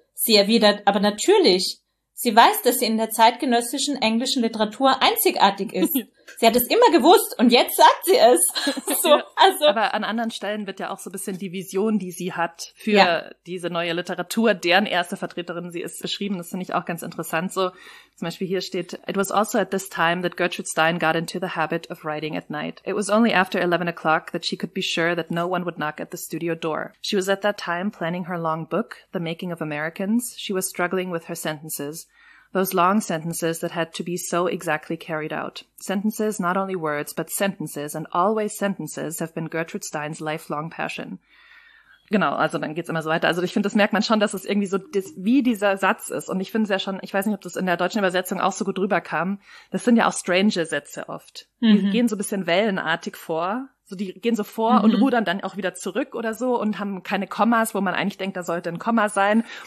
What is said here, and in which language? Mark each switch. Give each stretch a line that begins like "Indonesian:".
German: Sie erwidert, aber natürlich, sie weiß, dass sie in der zeitgenössischen englischen Literatur einzigartig ist. Sie hat es immer gewusst und jetzt sagt sie es. So, also. Aber an anderen Stellen wird ja auch so ein bisschen die Vision, die sie hat für diese neue Literatur, deren erste Vertreterin sie ist, beschrieben. Das finde ich auch ganz interessant. So, zum Beispiel hier steht,
English: it was also at this time that Gertrude Stein got into the habit of writing at night. It was only after 11 o'clock that she could be sure that no one would knock at the studio door. She was at that time planning her long book, The Making of Americans. She was struggling with her sentences. Those long sentences that had to be so exactly carried out. Sentences, not only words, but sentences, and always sentences, have been Gertrude Stein's lifelong passion.
German: Genau, also dann geht's immer so weiter. Also ich finde, das merkt man schon, dass es irgendwie so wie dieser Satz ist. Und ich finde es ja schon, ich weiß nicht, ob das in der deutschen Übersetzung auch so gut rüberkam, das sind ja auch strange Sätze oft. Die gehen so ein bisschen wellenartig vor. So, die gehen so vor und rudern dann auch wieder zurück oder so und haben keine Kommas, wo man eigentlich denkt, da sollte ein Komma sein.